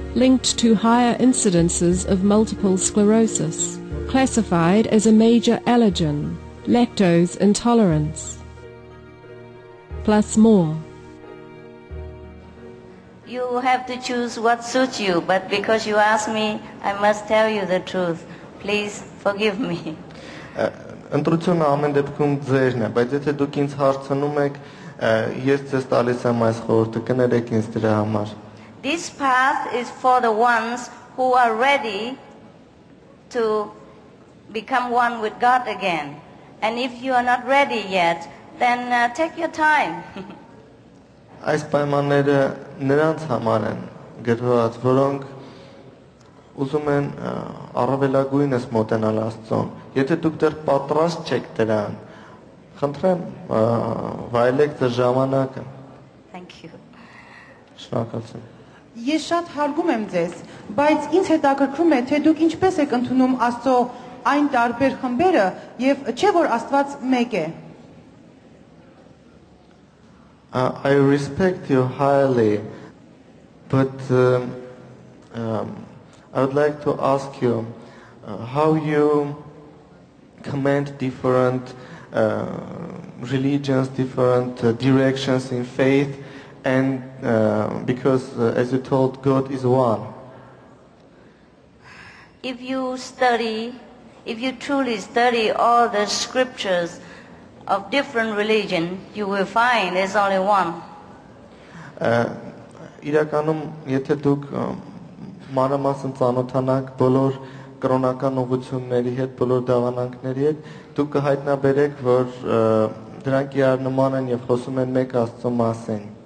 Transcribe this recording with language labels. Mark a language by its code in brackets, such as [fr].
[en] Linked to higher incidences of multiple sclerosis, classified as a major allergen, lactose intolerance, plus more. You have to choose what suits you, but because you asked me, I must tell you the truth. Please forgive me. [hy] Ընտրությունը ամեն դեպքում ձերն է, բայց եթե դուք ինձ հարցնում եք, ես ձեզ տալիս եմ այս խորհուրդը, կներեք ինձ դրա համար. [en] This path is for the ones who are ready to become one with God again. And if you are not ready yet, Then take your time. [hy] Այս պայմանները նրանց համար են գրված, որոնք ուզում են առավելագույնս մոտենալ Աստծուն։ Եթե դուք դեռ պատրաստ չեք դրան, խնդրեմ վայելեք ձեր ժամանակը։ [en] Thank you. [hy] Շնորհակալություն։ Ես շատ հարգում եմ ձեզ, բայց ինձ հետաքրքրում է, թե դուք ինչպես եք ընդունում Աստծո այն տարբեր խմբերը, եւ չէ՞ որ Աստված մեկ է։ [en] I respect you highly, but I would like to ask you how you commend different religions, different directions in faith, and because, as you told, God is one. If you study, if you truly study all the scriptures of different religion, you will find there's only one. [hy] Իրականում, եթե դուք մանրամասն ծանոթանաք բոլոր կրոնական ուղղությունների հետ, բոլոր դավանանքների հետ, դուք կհայտնաբերեք, որ դրանք իրար նման են եւ խոսում են մեկ Աստծո մասին.